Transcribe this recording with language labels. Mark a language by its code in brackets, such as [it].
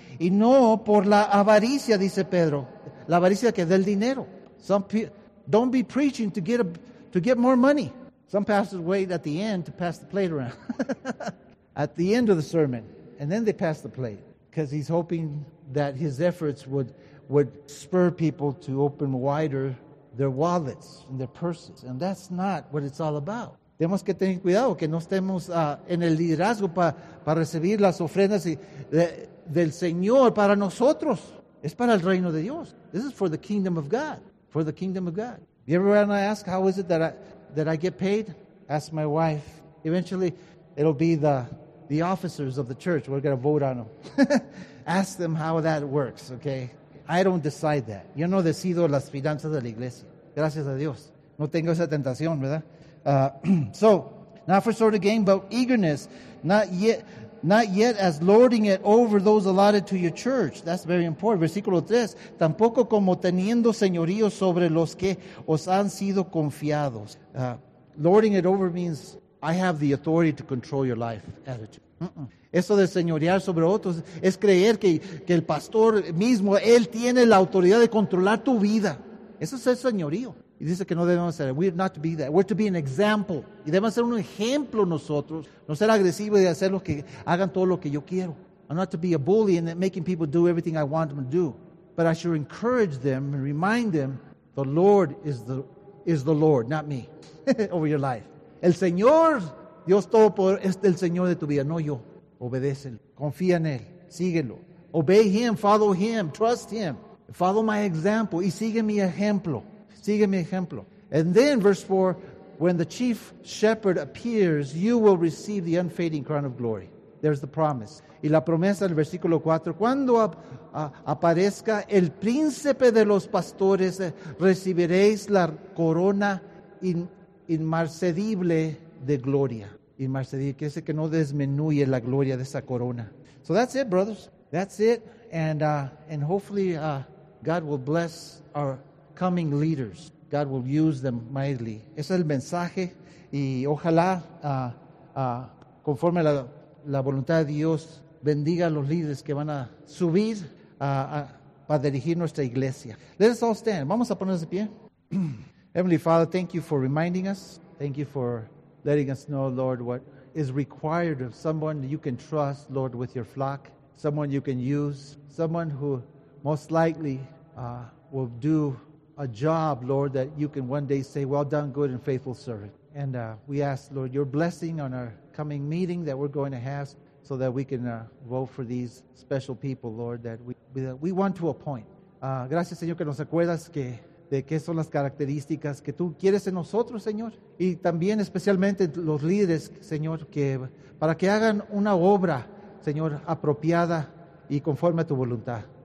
[es] y no por la avaricia, dice Pedro, la avaricia que del dinero. [en] Don't be preaching to get more money. Some pastors wait at the end to pass the plate around, at the end of the sermon. And then they pass the plate because he's hoping that his efforts would spur people to open wider their wallets and their purses. And that's not what it's all about. [es] Tenemos que tener cuidado que no estemos en el liderazgo para recibir las ofrendas del Señor para nosotros. Es para el reino de Dios. [en] This is for the kingdom of God. For the kingdom of God. You ever want to ask, how is it that I get paid? Ask my wife. Eventually, it'll be the officers of the church, we're going to vote on them. Ask them how that works, okay? I don't decide that. [es] Yo no decido las finanzas de la iglesia. Gracias a Dios. No tengo esa tentación, ¿verdad? [en] So, not for sort of gain, but eagerness, not yet as lording it over those allotted to your church. That's very important. [es] Versículo 3, tampoco como teniendo señorío sobre los que os han sido confiados. [en] Lording it over means I have the authority to control your life attitude. [es] Eso de señorear sobre otros es creer que el pastor mismo, él tiene la autoridad de controlar tu vida. Eso es el señorío. Y dice que no debemos ser, [en] we're not to be that, we're to be an example. [es] Y debemos ser un ejemplo nosotros, no ser agresivos y hacer lo que hagan todo lo que yo quiero. [en] I'm not to be a bully and making people do everything I want them to do. But I should encourage them and remind them, the Lord is the Lord, not me, over your life. [es] El Señor, Dios Todopoderoso, es el Señor de tu vida, no yo. Obedécelo, confía en Él, síguelo. [en] Obey Him, follow Him, trust Him. Follow my example [es] y sigue mi ejemplo. Sigue mi ejemplo. [en] And then, verse 4, when the chief shepherd appears, you will receive the unfading crown of glory. There's the promise. [es] Y la promesa del versículo 4, cuando aparezca el príncipe de los pastores, recibiréis la corona inmarcedible de gloria. Inmarcedible, que dice que no disminuye la gloria de esa corona. [en] So that's it, brothers. That's it. And hopefully God will bless our coming leaders. God will use them mightily. [es] Ese es el mensaje y ojalá conforme a la voluntad de Dios bendiga a los líderes que van a subir para dirigir nuestra iglesia. [en] Let us all stand. [es] Vamos a ponernos de pie. [en] Heavenly Father, thank you for reminding us. Thank you for letting us know, Lord, what is required of someone you can trust, Lord, with your flock. Someone you can use. Someone who most likely will do a job, Lord, that you can one day say, well done, good and faithful servant. And we ask, Lord, your blessing on our coming meeting that we're going to have so that we can vote for these special people, Lord, that we want to appoint. [es] Gracias, Señor, que nos acuerdas de qué son las características que tú quieres en nosotros, Señor. Y también especialmente los líderes, Señor, que para que hagan una obra, Señor, apropiada y conforme a tu voluntad.